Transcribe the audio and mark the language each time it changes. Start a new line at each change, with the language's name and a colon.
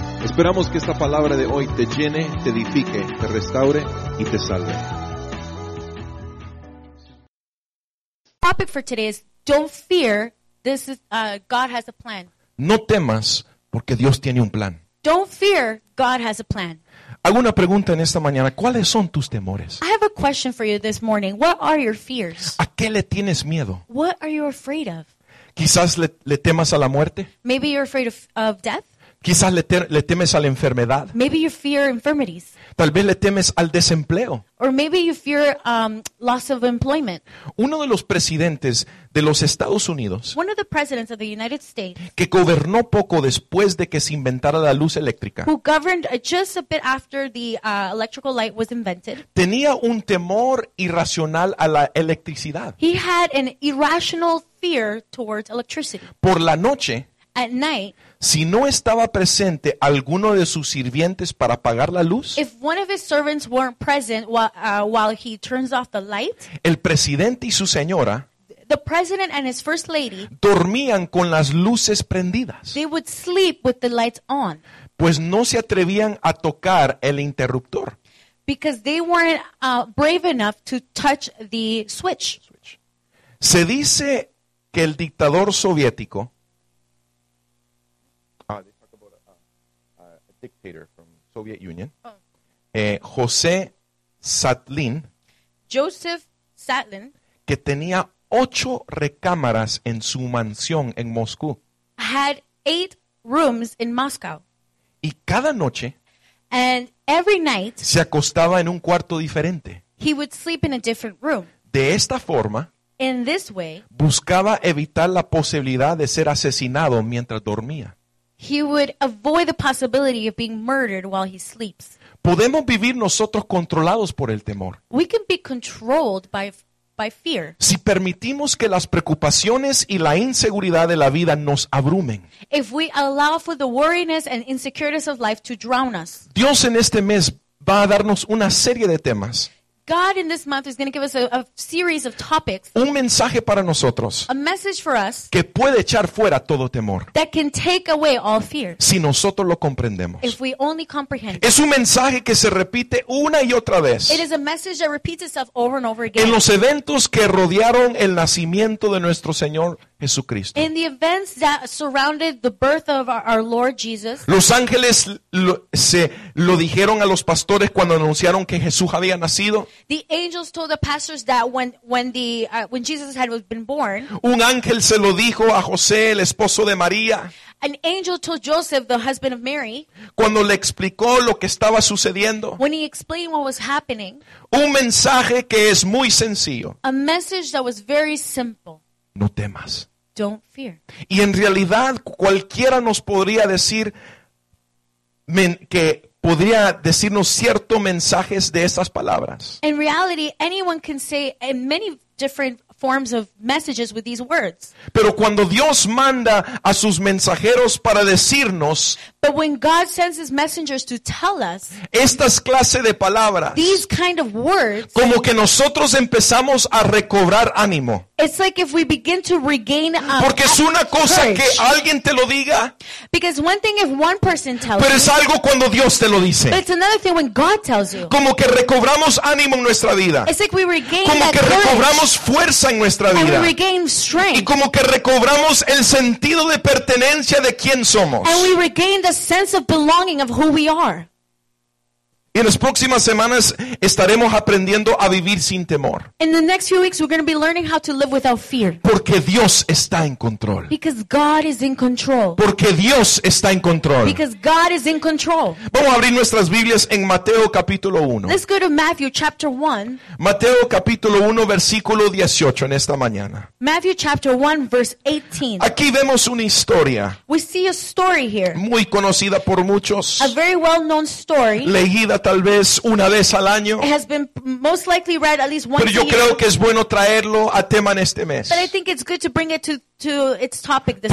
Spanish: Esperamos que esta palabra de hoy te llene, te edifique, te restaure y te salve.
English: Topic for today is don't fear. This is God has a plan.
Spanish: No temas porque Dios tiene un plan.
English: Don't fear, God has a plan.
Spanish: Hago una pregunta en esta mañana, ¿cuáles son tus temores?
English: I have a question for you this morning. What are your fears?
Spanish: ¿A qué le tienes miedo?
English: What are you afraid of?
Spanish: Quizás le temas a la muerte.
English: Maybe you're afraid of death.
Spanish: Quizás le temes a la enfermedad.
English: Maybe you fear infirmities.
Spanish: Tal vez le temes al desempleo.
English: Or maybe you fear loss of employment.
Spanish: Uno de los presidentes de los Estados Unidos,
English: one of the presidents of the United States,
Spanish: que gobernó poco después de que se inventara la luz eléctrica,
English: who governed just a bit after the electrical light was invented,
Spanish: tenía un temor irracional a la electricidad.
English: He had an irrational fear towards electricity.
Spanish: Por la noche,
English: at night,
Spanish: si no estaba presente alguno de sus sirvientes para apagar la luz,
English: if one of his servants weren't present while he turns off the light,
Spanish: el presidente y su señora,
English: the president and his first lady,
Spanish: dormían con las luces prendidas.
English: They would sleep with the lights on.
Spanish: Pues no se atrevían a tocar el interruptor.
English: Because they weren't brave enough to touch the switch.
Spanish: Se dice que el dictador soviético,
English: dictator from Soviet Union,
Spanish: José Sadlin,
English: Joseph Sadlin,
Spanish: que tenía 8 recámaras en su mansión en Moscú,
English: had 8 rooms in Moscow,
Spanish: y cada noche,
English: and every night,
Spanish: se acostaba en un cuarto diferente.
English: He would sleep in a different room.
Spanish: De esta forma,
English: in this way,
Spanish: buscaba evitar la posibilidad de ser asesinado mientras dormía.
English: He would avoid the possibility of being murdered while he sleeps.
Spanish: Podemos vivir nosotros controlados por el temor.
English: We can be controlled by fear.
Spanish: Si permitimos que las preocupaciones y la inseguridad de la vida nos abrumen.
English: If we allow for the worriness and insecurities of life to drown us.
Spanish: Dios en este mes va a darnos una serie de temas.
English: God in this month is going to give us a series of topics.
Spanish: Un mensaje para nosotros.
English: A message for us.
Spanish: Que puede echar fuera todo temor.
English: That can take away all fear.
Spanish: Si nosotros lo comprendemos.
English: If we only comprehend.
Spanish: Es un mensaje que se repite una y otra vez.
English: It is a message that repeats itself over and over again.
Spanish: En los eventos que rodearon el nacimiento de nuestro Señor Jesucristo.
English: In the events that surrounded the birth of our Lord Jesus.
Spanish: Los ángeles lo dijeron a los pastores cuando anunciaron que Jesús había nacido.
English: The angels told the pastors that when Jesus had been born.
Spanish: Un ángel se lo dijo a José, el esposo de María.
English: An angel told Joseph, the husband of Mary.
Spanish: Cuando le explicó lo que estaba sucediendo.
English: When he explained what was happening.
Spanish: Un mensaje que es muy sencillo.
English: A message that was very simple.
Spanish: No temas.
English: Don't fear.
Spanish: Y en realidad cualquiera nos podría decir que podría decirnos cierto mensajes de esas palabras.
English: In reality, anyone can say in many different forms of messages with these words.
Spanish: Pero cuando Dios manda a sus mensajeros para decirnos,
English: but when God sends his messengers to tell us,
Spanish: estas clase de palabras,
English: these kind of words,
Spanish: como que nosotros empezamos a recobrar ánimo.
English: It's like if we begin to regain a
Spanish: porque es una cosa
English: courage,
Spanish: que alguien te lo diga.
English: Because one thing if one person tells
Spanish: pero es algo cuando Dios te lo dice.
English: But it's another thing when God tells you.
Spanish: Como que recobramos ánimo en nuestra vida.
English: It's like we regain
Spanish: como
English: that
Spanish: que recobramos
English: courage,
Spanish: fuerza en nuestra vida.
English: And we regain strength.
Spanish: Y como que recobramos el sentido de pertenencia de quién somos.
English: And we regain the sense of belonging of who we are.
Spanish: Y en las próximas semanas estaremos aprendiendo a vivir sin temor.
English: In the next few weeks we're going to be learning how to live without fear.
Spanish: Porque Dios está en control.
English: Because God is in control.
Spanish: Porque Dios está en control.
English: Because God is in control.
Spanish: Vamos a abrir nuestras Biblias en Mateo capítulo 1.
English: Let's go to Matthew chapter 1.
Spanish: Mateo capítulo 1 versículo 18 en esta mañana.
English: Matthew chapter 1 verse 18.
Spanish: Aquí vemos una historia.
English: We see a story here.
Spanish: Muy conocida por muchos.
English: A very well known story.
Spanish: Leída tal vez una vez al año,
English: has been most likely read at least once.
Spanish: Pero yo creo
English: year,
Spanish: que es bueno traerlo a tema en este mes.
English: But I think it's good to bring it to its topic this